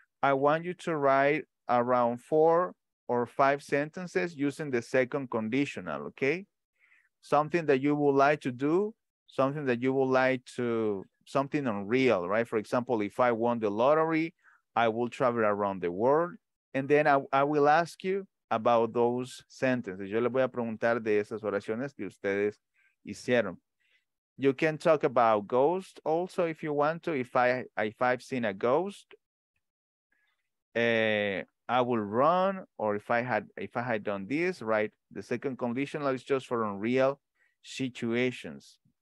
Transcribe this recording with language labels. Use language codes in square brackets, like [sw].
[en] I want you to write around 4 or 5 sentences using the second conditional, okay? Something that you would like to do, something that you would like to, something unreal, right? For example, if I won the lottery, I will travel around the world. And then I will ask you about those sentences. [es] Yo les voy a preguntar de esas oraciones que ustedes hicieron. [en] You can talk about ghosts also if you want to. If I've seen a ghost, I will run, or if I had done this, right? The second conditional is just for unreal situations.